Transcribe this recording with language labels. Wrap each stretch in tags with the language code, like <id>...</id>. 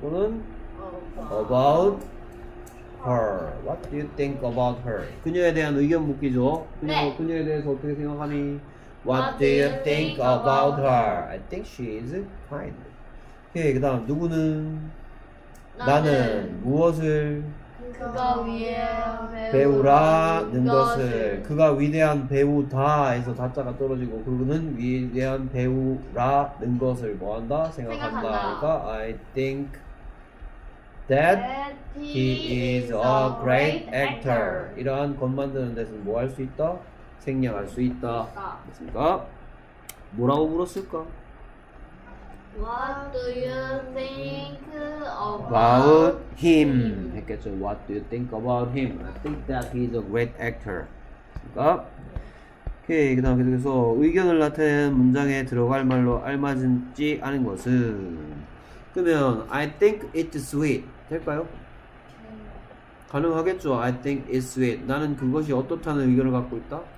<en>또는 about her. What do you think about her?</en> <ko>그녀에 대한 의견 묻기죠. 그녀, 네. 그녀에 대해서 어떻게 생각하니?</ko> <en>What do you think about her? I think she is kind. 오케이,</en> <ko>그 다음 누구는? 나는 무엇을? 그가 위대한 배우라는 것을. 그가 위대한 배우다 해서 다자가 떨어지고 그는 위대한 배우라는 것을 뭐한다? 생각한다. 생각한다. 그러니까</ko> <en>I think that he is a great actor.</en> <ko>이러한 것 만드는 데서 뭐 할 수 있다? 생략할 수 있다. 맞습니까? 뭐라고 물었을까?</ko> <en>What do you think about him?</en> <ko>했겠죠.</ko> <en>What do you think about him? I think that he's a great actor.</en> <ko>맞습니까? 오케이, 그 다음 계속해서 의견을 나타낸 문장에 들어갈 말로 알맞은지 아닌 것은? 그러면</ko> <en>I think it's sweet.</en> <ko>될까요? 가능하겠죠.</ko> <en>I think it's sweet.</en> <ko>나는 그것이 어떻다는 의견을 갖고 있다?</ko>